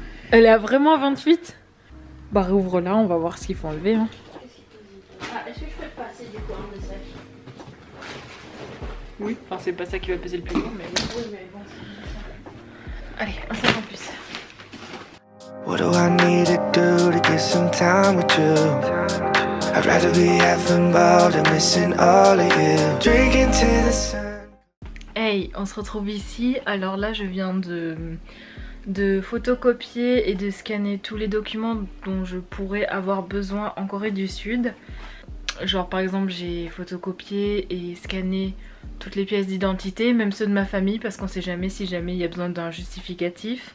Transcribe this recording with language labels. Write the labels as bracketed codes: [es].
[fr] Elle est à vraiment 28. Bah rouvre là, on va voir ce qu'il faut enlever. Hein. Est-ce que je peux passer du coup un message? Oui, enfin c'est pas ça qui va peser le plus lourd, mais... Oui, mais bon, c'est ça. Allez, un sac en plus. [en] What do I need to do to get some time with you? I'd rather be having ball than missing all of you. Drinking to the sun. Hey, [fr] on se retrouve ici. Alors là, je viens de photocopier et de scanner tous les documents dont je pourrais avoir besoin en Corée du Sud. Genre par exemple j'ai photocopié et scanné toutes les pièces d'identité, même ceux de ma famille parce qu'on sait jamais si jamais il y a besoin d'un justificatif.